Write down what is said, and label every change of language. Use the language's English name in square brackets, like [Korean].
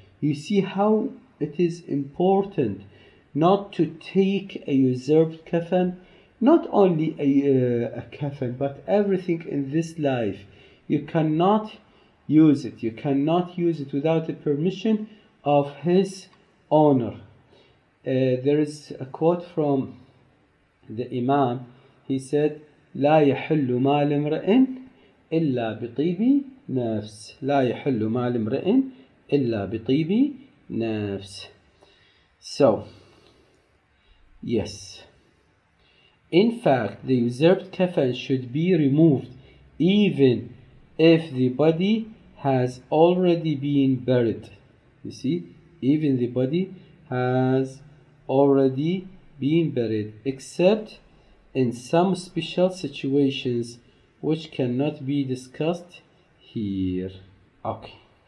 [English] You see how it is important not to take a usurped kafan, not only a kafan, but everything in this life. You cannot use it. You cannot use it without the permission of his owner. There is a quote from the Imam. He said, [Arabic] لا يحل مال امرئ إلا بطيب نفس. لا يحل مال امرئ إلا بطيب نفس. [English] So, yes. In fact, the usurped kafan should be removed even if the body has already been buried. You see, even the body has already been buried, except in some special situations which cannot be discussed here. Okay.